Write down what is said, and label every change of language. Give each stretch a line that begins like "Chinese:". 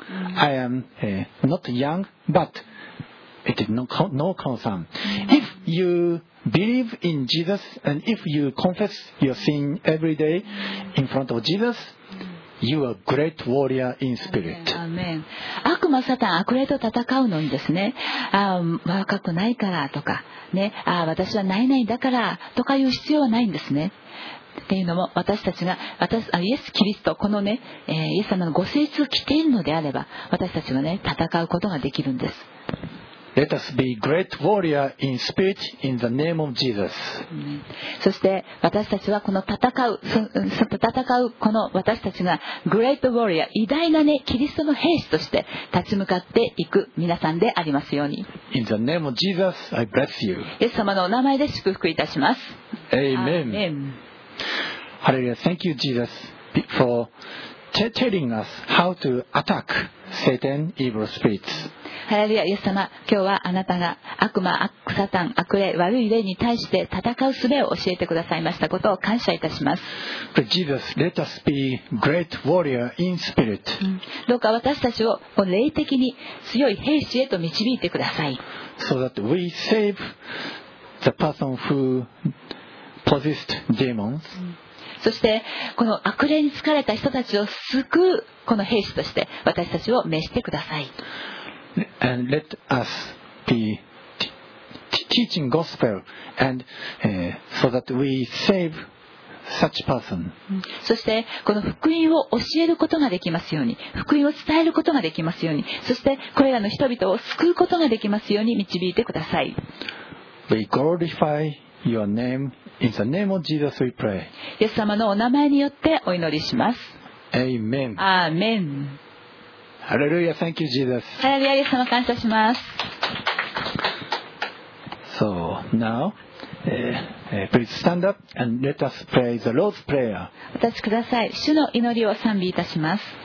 English: I am not young, but it is no concern. If you believe in Jesus and if you confess your sin every day in front of Jesus, you are great warrior in spirit. Amen.
Japanese: 悪魔サタン、悪霊と戦うのにですね、若くないからとかね、私はないないだからとかいう必要はないんですね。っていうのも私たちが私イエス・キリストこのね、イエス様のご性質を着ているのであれば私たちはね戦うことができるんです。
English: Let us be great warrior in spirit in the name of Jesus.
Japanese: そして私たちはこの戦うこの私たちが
English: great warrior
Japanese: 偉大なねキリストの兵士として立ち向かっていく皆さんでありますように。
English: In the name of Jesus, I bless you.
Japanese: イエス様のお名前で祝福いたします。
English: Amen. Amen. Hallelujah. Thank you, Jesus, for telling us how to attack Satan, evil spirits.
Japanese: Hallelujah. イエス様、今日はあなたが悪魔、悪サタン、悪霊、悪い霊に対して戦う術を教えてくださいましたことを感謝いたします。
English: But Jesus, let us be great warrior in spirit.
Japanese: どうか私たちを霊的に強い兵士へと導いてください。
English: So that we save the person who possessed demons.
Japanese: そしてこの悪霊に疲れた人たちを救うこの兵士として私たちを召してください。
English: And let us be teaching gospel and, so that we save such person.
Japanese: そしてこの福音を教えることができますように、福音を伝えることができますように、そしてこれらの人々を救うことができますように導いてください。
English: We glorifyYour name, in the name of Jesus we pray.
Japanese: イエス様のお名前によってお祈りします。
English: Amen. Amen. Hallelujah. Thank you, Jesus.
Japanese: Hallelujah. イエス様感謝します。
English: So, now, Please stand up and let us pray the Lord's Prayer.
Japanese: お立ちください。主の祈りを賛美いたします。